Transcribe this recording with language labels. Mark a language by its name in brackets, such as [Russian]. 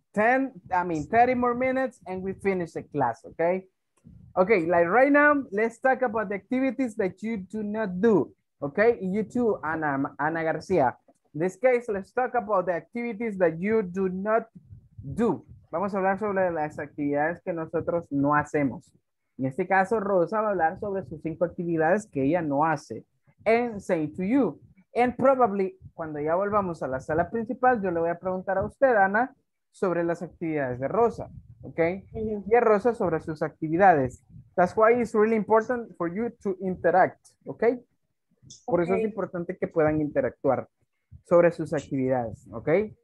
[English] 30 more minutes and we finish the class, okay? Okay, like right now, let's talk about the activities that you do not do, okay? You too, Ana Garcia. In this case, let's talk about the activities that you do not do. [Spanish] Vamos a hablar sobre las actividades que nosotros no hacemos. En este caso, Rosa va a hablar sobre sus 5 actividades que ella no hace. [English] And same to you. And probably, [Spanish] cuando ya volvamos a la sala principal, yo le voy a preguntar a usted, Ana, sobre las actividades de Rosa, okay? Mm-hmm. Y a Rosa sobre sus actividades. [English] That's why it's really important for you to interact, okay? [Spanish] Por okay. eso es importante que puedan interactuar sobre sus actividades, okay?